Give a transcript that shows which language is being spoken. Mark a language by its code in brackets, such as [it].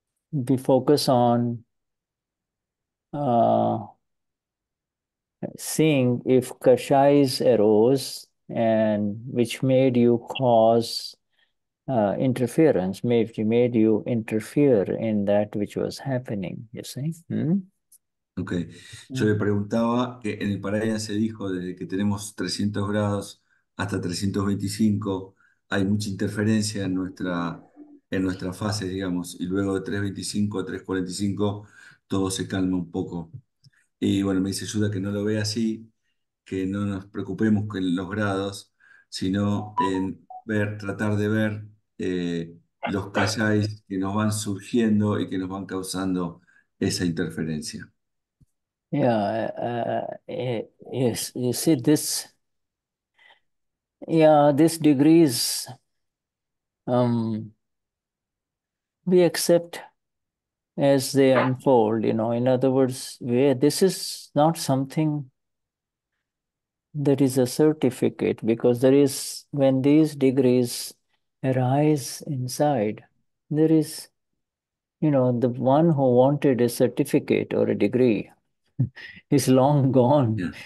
[en] We focus on seeing if kashais arose and which made you cause interference, made you interfere in that which was happening, you see? [es] Ok, yo le preguntaba que en el Parayana se dijo desde que tenemos 300 grados hasta 325 hay mucha interferencia en nuestra fase, digamos, y luego de 325 a 345 todo se calma un poco. Y bueno, me dice Yuda que no lo ve así, que no nos preocupemos con los grados, sino en tratar de ver los kashais que nos van surgiendo y que nos van causando esa interferencia. [en] You see this, this degrees, we accept as they unfold, you know. In other words, this is not something that is a certificate, because there is, when these degrees arise inside, there is, you know, the one who wanted a certificate or a degree is long gone.